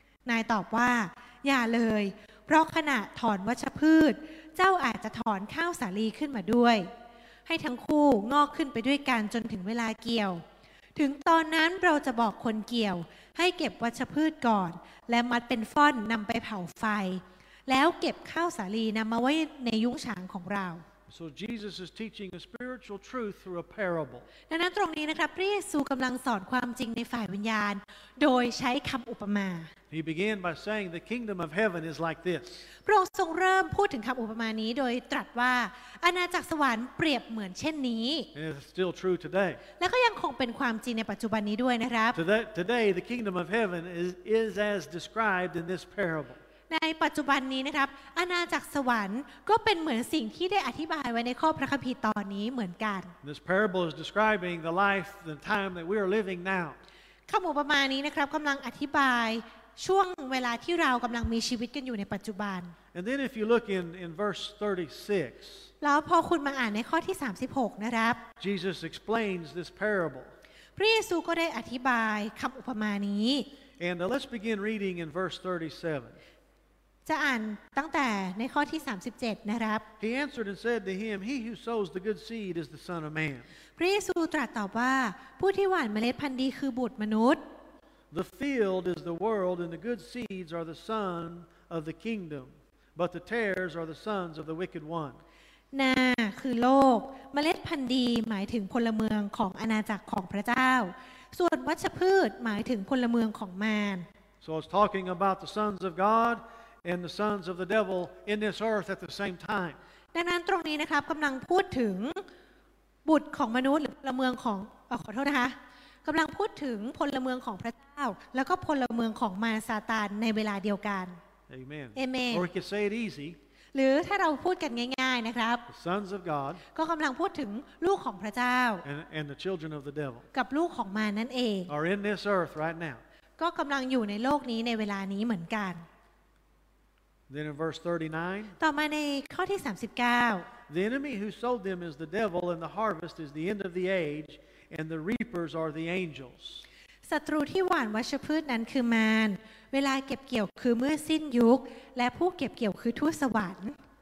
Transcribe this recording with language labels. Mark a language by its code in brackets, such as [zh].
[th] นายตอบว่าอย่าเลยเพราะขณะถอนวัชพืชเจ้าอาจจะถอนข้าวสาลีขึ้นมาด้วยให้ทั้งคู่งอกขึ้นไปด้วยกันจนถึงเวลาเกี่ยวถึงตอนนั้นเราจะบอกคนเกี่ยวให้เก็บวัชพืชก่อนและมัดเป็นฟ่อนนำไปเผาไฟแล้วเก็บข้าวสาลีนำมาไว้ในยุ้งฉางของเรา [en] So Jesus is teaching a spiritual truth through a parable. [th] ดังนั้นตรงนี้นะครับพระเยซูกำลังสอนความจริงในฝ่ายวิญญาณโดยใช้คำอุปมา [en] He began by saying the kingdom of heaven is like this. [th] พระองค์ทรงเริ่มพูดถึงคำอุปมานี้โดยตรัสว่าอาณาจักรสวรรค์เปรียบเหมือนเช่นนี้ [en] And it's still true today. [th] และก็ยังคงเป็นความจริงในปัจจุบันนี้ด้วยนะครับ [en] Today the kingdom of heaven is as described in this parable. [th] ในปัจจุบันนี้นะครับอาณาจักรสวรรค์ก็เป็นเหมือนสิ่งที่ได้อธิบายไว้ในข้อพระคัมภีร์ตอนนี้เหมือนกัน [en] This parable is describing the life and time that we are living now [th] คำอุปมานี้นะครับกำลังอธิบายช่วงเวลาที่เรากำลังมีชีวิตกันอยู่ในปัจจุบัน [en] And then if you look in verse 36 [th] แล้วพอคุณมาอ่านในข้อที่36นะครับ [en] Jesus explains this parable [th] พระเยซูก็ได้อธิบายคำอุปมานี้ [en] And let's begin reading in verse 37 [th] จะอ่านตั้งแต่ในข้อที่37นะครับ [en] He answered and said to him, He who sows the good seed is the Son of Man. [th] พระเยซูตรัสตอบว่าผู้ที่หว่านเมล็ดพันธุ์ดีคือบุตรมนุษย์ [en] The field is the world, and the good seeds are the son of the kingdom, but the tares are the sons of the wicked one. [th] นาคือโลกเมล็ดพันธุ์ดีหมายถึงพลเมืองของอาณาจักรของพระเจ้าส่วนวัชพืชหมายถึงพลเมืองของมาร [en] So it's talking about the sons of GodAnd the sons of the devil in this earth at the same time. [th] ดังนั้นตรงนี้นะครับกำลังพูดถึงบุตรของมนุษย์หรือพลเมืองของขอโทษนะคะกำลังพูดถึงพลเมืองของพระเจ้าแล้วก็พลเมืองของมารซาตานในเวลาเดียวกัน [en] Amen. Amen. Or we could say it easy. [th] หรือถ้าเราพูดกันง่ายๆนะครับ [en] The sons of God. [th] ก็กำลังพูดถึงลูกของพระเจ้า [en] And the children of the devil. [th] กับลูกของมารนั่นเอง [en] Are in this earth right now. [th] ก็กำลังอยู่ในโลกนี้ในเวลานี้เหมือนกัน [en] Then in verse 39. [th] ต่อมาในข้อที่39. [en] The enemy who sold them is the devil, and the harvest is the end of the age, and the reapers are the angels. [th] ศัตรูที่หว่านวัชพืชนั้นคือมารเวลาเก็บเกี่ยวคือเมื่อสิ้นยุคและผู้เก็บเกี่ยวคือทูตสวรรค์